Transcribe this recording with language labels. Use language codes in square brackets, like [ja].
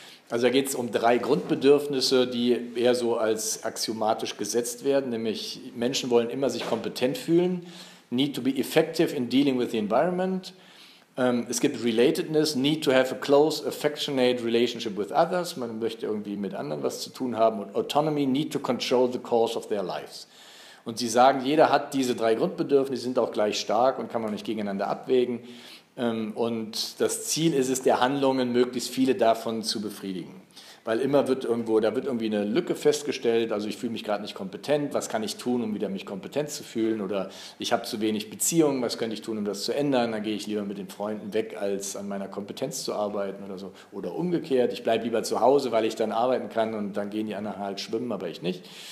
[de] Also da geht es um 3 Grundbedürfnisse, die eher so als axiomatisch gesetzt werden, nämlich Menschen wollen immer sich kompetent fühlen, [en] need to be effective in dealing with the environment. [de] Es gibt [en] Relatedness, need to have a close, affectionate relationship with others. [de] Man möchte irgendwie mit anderen was zu tun haben. [en] Und Autonomy, need to control the course of their lives. [de] Und sie sagen, jeder hat diese 3 Grundbedürfnisse, sind auch gleich stark und kann man nicht gegeneinander abwägen. Und das Ziel ist es, der Handlungen möglichst viele davon zu befriedigen. Weil immer wird irgendwo, da wird irgendwie eine Lücke festgestellt, also ich fühle mich gerade nicht kompetent, was kann ich tun, um wieder mich kompetent zu fühlen, oder ich habe zu wenig Beziehungen, was könnte ich tun, um das zu ändern, dann gehe ich lieber mit den Freunden weg, als an meiner Kompetenz zu arbeiten oder so, oder umgekehrt, ich bleibe lieber zu Hause, weil ich dann arbeiten kann und dann gehen die anderen halt schwimmen, aber ich nicht.